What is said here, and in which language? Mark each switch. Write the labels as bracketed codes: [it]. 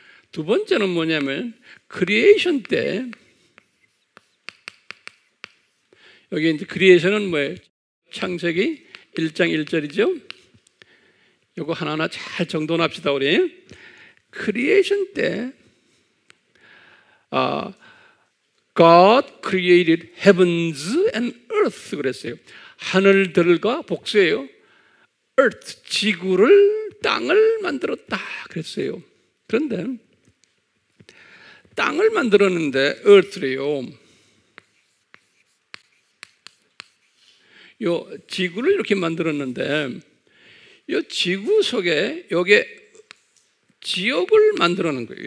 [ko] 두 번째는 뭐냐면, creation 때, 여기 이제 크리에이션은 뭐예요? 창세기 1장 1절이죠. 요거 하나하나 잘 정돈합시다 우리. 크리에이션 때 [en] God created heavens and earth [ko] 그랬어요. 하늘들과 복수예요. earth 지구를 땅을 만들었다 그랬어요. 그런데 땅을 만들었는데 earth래요. 요 지구를 이렇게 만들었는데 요 지구 속에 요게 지옥을 만들어낸 거예요.